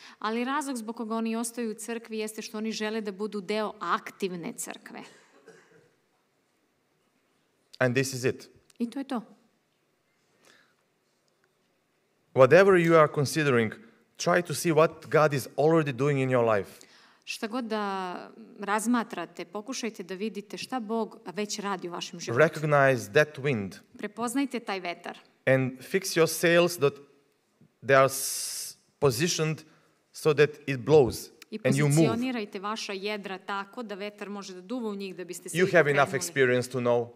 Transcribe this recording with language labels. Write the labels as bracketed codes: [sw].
[sr] Ali razlog zbog koga oni ostaju u crkvi jeste što oni žele da budu deo aktivne crkve. [en] And this is it. [sr] I to je to. [en] Whatever you are considering, try to see what God is already doing in your life. [sr] Šta god da razmatrate, pokušajte da vidite šta Bog već radi u vašem životu. [en] Recognize that wind. [sr] Prepoznajte taj vetar. [en] And fix your sails that they are positioned so that it blows and you move. [sr] I pozicionirajte vaša jedra tako da vetar može da duva u njih da biste se [en] You have enough experience to know.